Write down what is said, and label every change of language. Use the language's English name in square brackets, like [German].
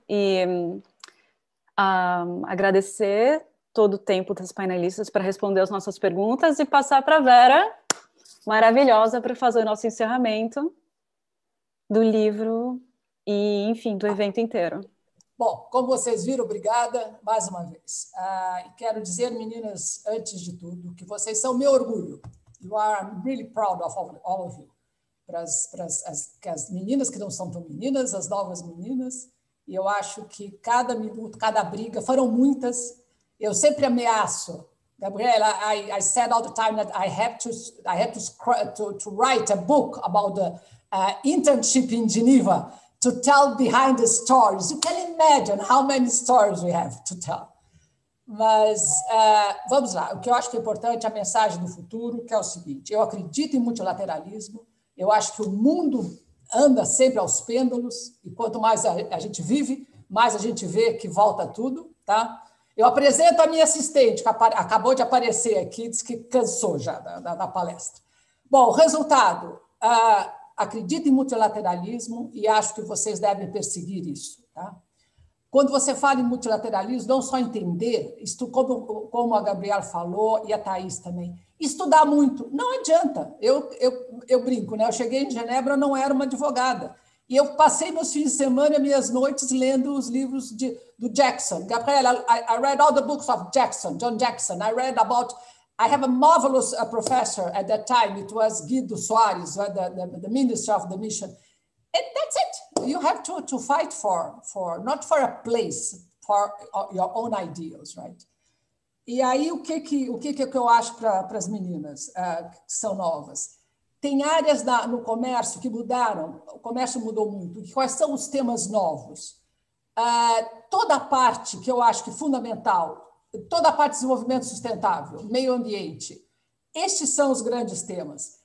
[Portuguese] E agradecer todo o tempo das painelistas para responder as nossas perguntas e passar para a Vera, maravilhosa, para fazer o nosso encerramento do livro e, enfim, do evento inteiro. Bom, como vocês viram, obrigada mais uma vez. Quero dizer, meninas, antes de tudo, que vocês são meu orgulho. [English] You are really proud of all of you. [Portuguese] Para as meninas que não são tão meninas, as novas meninas, e eu acho que cada minuto, cada briga, foram muitas, eu sempre ameaço, Gabriela, [English] I said all the time that I have to write a book about the internship in Geneva to tell behind the stories. You can imagine how many stories we have to tell. [Portuguese] Mas vamos lá, o que eu acho que é importante, a mensagem do futuro, que é o seguinte, eu acredito em multilateralismo. Eu acho que o mundo anda sempre aos pêndulos, e quanto mais a gente vive, mais a gente vê que volta tudo, tá? Eu apresento a minha assistente, que acabou de aparecer aqui, diz que cansou já da palestra. Bom, resultado, acredito em multilateralismo e acho que vocês devem perseguir isso, tá? Quando você fala em multilateralismo, não só entender, isto, como a Gabriela falou e a Thaís também, estudar muito, não adianta. Eu brinco, né? Eu cheguei em Genebra, não era uma advogada. E eu passei meus fins de semana, minhas noites, lendo os livros do Jackson. [English] Gabriela, I read all the books of Jackson, John Jackson. I have a marvelous professor at that time. It was Guido Soares, the minister of the mission. And that's it. You have to fight for not for a place, for your own ideals, right? [Portuguese] E aí, o que eu acho para as meninas que são novas? Tem áreas no comércio que mudaram, o comércio mudou muito. Quais são os temas novos? Toda a parte que eu acho que é fundamental, toda a parte de desenvolvimento sustentável, meio ambiente, estes são os grandes temas.